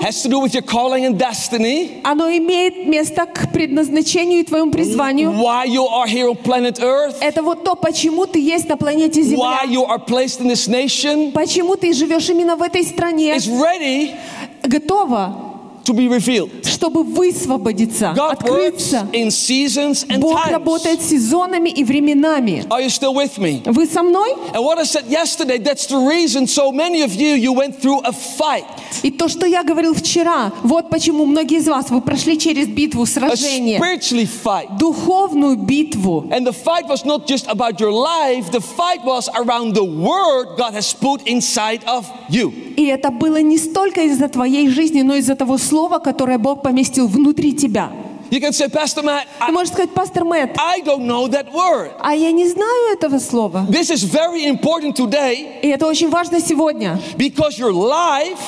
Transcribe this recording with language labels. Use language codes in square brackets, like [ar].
[en] Has to do with your calling and destiny. [ru] Оно имеет место к предназначению и твоему призванию. [en] Why you are here on planet Earth. [ru] Это вот то, почему ты есть на планете Земля. [en] Why you are placed in this nation. [ru] Почему ты живешь именно в этой стране. [en] Is ready, [ru] готова, [en] to be revealed. [ru] Чтобы высвободиться, [en] God [ru] открыться. [en] Works in seasons and [ru] Бог [en] times. [ru] Работает сезонами и временами. [en] Are you still with me? [ru] Вы со мной? [en] And what I said yesterday, that's the reason so many of you, you went through a fight. [ru] И то, что я говорил вчера, вот почему многие из вас вы прошли через битву, сражение. [en] A spiritually fight. [ru] Духовную битву. [en] And the fight was not just about your life. The fight was around the word God has put inside of you. [ru] И это было не столько из-за твоей жизни, но из-за того слова, которое Бог поместил внутри тебя. [en] You can say, Pastor Matt, [ru] ты можешь сказать, пастор Мэтт, [en] I don't know that word. [ru] А я не знаю этого слова. [en] This is very important today. [ru] И это очень важно сегодня. [en] Because your life,